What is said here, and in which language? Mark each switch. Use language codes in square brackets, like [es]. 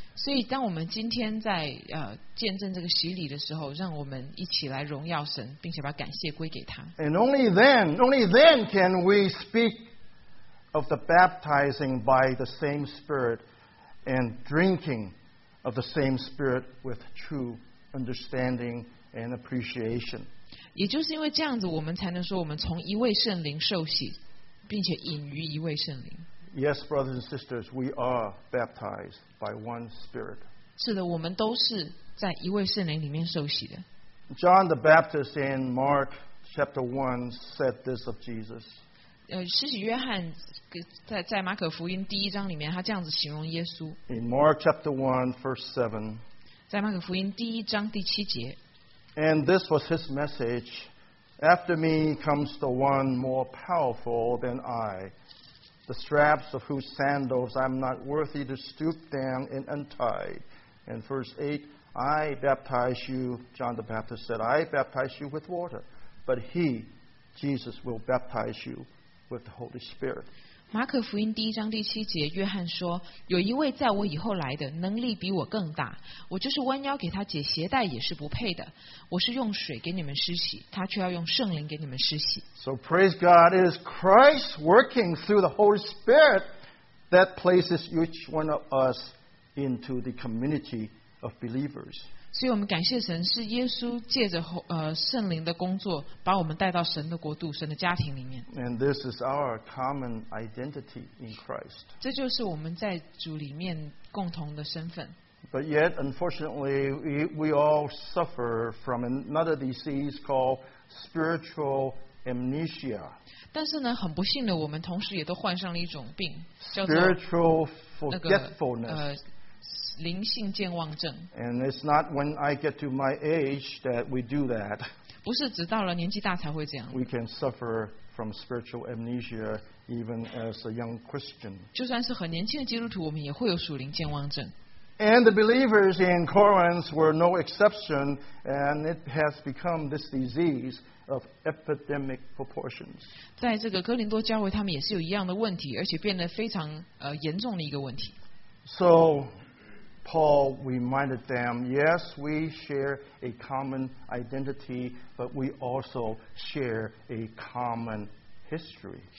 [zh] 所以当我们今天在见证这个洗礼的时候，让我们一起来荣耀神，并且把感谢归给他。 [en] And only then can we speak of the baptizing by the same Spirit and drinking of the same Spirit with true. Understanding and appreciation. [zh] 也就是因为这样子，我们才能说我们从一位圣灵受洗，并且隐于一位圣灵。 [en] Yes, brothers and sisters, we are baptized by one Spirit. [zh] 是的，我们都是在一位圣灵里面受洗的。 [en] John the Baptist in Mark chapter 1 said this of Jesus. [zh] 施洗约翰在马可福音第一章里面，他这样子形容耶稣。 [en] In Mark chapter 1, verse 7. [zh] 在马可福音第一章第七节。 [en] And this was his message. After me comes the one more powerful than I, the straps of whose sandals I'm not worthy to stoop down and untie. And verse 8, I baptize you, John the Baptist said, I baptize you with water, but he, Jesus, will baptize you with the Holy Spirit. [zh] 马可福音第一章第七节，约翰说，有一位在我以后来的，能力比我更大，我就是弯腰给他解鞋带也是不配的，我是用水给你们施洗，他却要用圣灵给你们施洗。 [en] So praise God, it is Christ working through the Holy Spirit that places each one of us into the community of believers. [zh] 所以我们感谢神，是耶稣借着圣灵的工作，把我们带到神的国度，神的家庭里面。 [en] And this is our common identity in Christ. [zh] 这就是我们在主里面共同的身份。 [en] But yet, unfortunately, we all suffer from another disease called spiritual amnesia. [zh] 但是呢，很不幸的，我们同时也都患上了一种病，叫做 [en] spiritual forgetfulness. [zh] 灵性健忘症。 [en] And it's not when I get to my age that we do that. [zh] 不是直到了年纪大才会这样。 [en] We can suffer from spiritual amnesia even as a young Christian. [zh] 就算是很年轻的基督徒，我们也会有属灵健忘症。 [en] And the believers in Corinth were no exception, and it has become this disease of epidemic proportions. [zh] 在这个哥林多教会，他们也是有一样的问题，而且变得非常严重的一个问题。 [en] SoPaul reminded them, yes, we share a common identity, but we also share a common history.